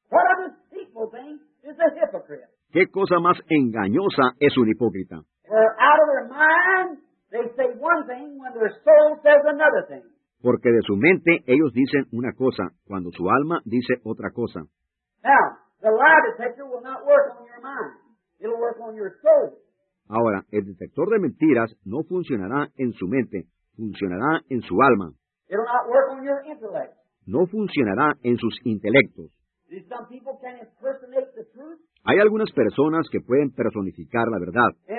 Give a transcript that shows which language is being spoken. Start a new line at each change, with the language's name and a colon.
English: What a deceitful thing is a hypocrite.
Spanish: ¿Qué cosa más engañosa es un hipócrita?
English: Out of their mind, they say one thing when their soul says another thing.
Spanish: Porque de su mente ellos dicen una cosa cuando su alma dice otra cosa.
English: Now, the lie detector will not work on your mind. It'll work on your soul.
Spanish: Ahora, el detector de mentiras no funcionará en su mente. Funcionará en su alma.
English: It'll not work on your intellect.
Spanish: No funcionará en sus intelectos.
English: Some people can impersonate the truth.
Spanish: Hay algunas personas que pueden personificar la verdad.